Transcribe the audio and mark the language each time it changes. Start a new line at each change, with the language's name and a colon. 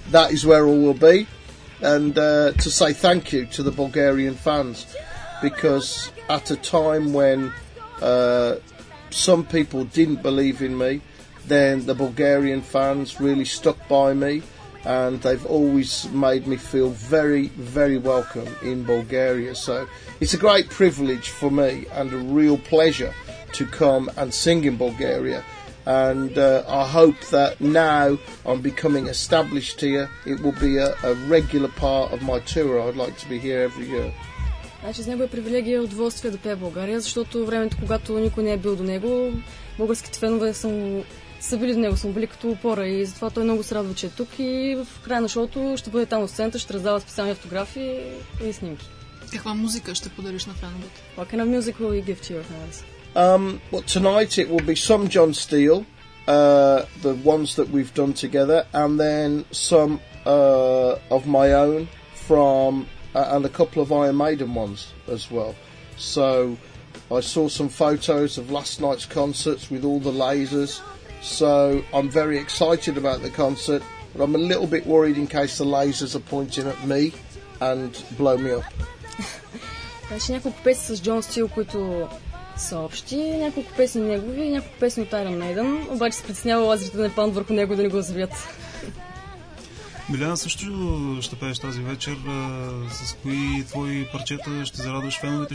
English: That is where all will be, and to say thank you to the Bulgarian fans, because at a time when some people didn't believe in me, then the Bulgarian fans really stuck by me, and they've always made me feel very, very welcome in Bulgaria. So it's a great privilege for me and a real pleasure to come and sing in Bulgaria. And I hope that now I'm becoming established here, it will be a regular part of my tour. I'd like to be here every year.
Bulgarian: Значи, с него е привилегия и удоволствие да пее България, защото времето, когато никой не е бил до него, българските фенове са били до него, са били като опора и затова той много се радва, че е тук и в края на шоуто ще бъде там от сцената, ще раздава специални автографи и снимки. Каква музика ще подариш на феновете?
English: What kind of music will you give to your fans? Well, tonight it will be some John Steele, the ones that we've done together, and then some of my own from and a couple of Iron Maiden ones as well. So I saw some photos of last night's concerts with all the lasers, so I'm very excited about the concert, but I'm a little bit worried in case the lasers are pointing at me and blow me up.
Bulgarian: Значи няколко песни с Джон Стил, които са общи, няколко песни негови, няколко песни от Iron Maiden, обаче се притеснява лазерите да не паднат върху него да не го взривят. Миляна, също ще пееш тази вечер. С кои твои парчета ще зарадваш феновете?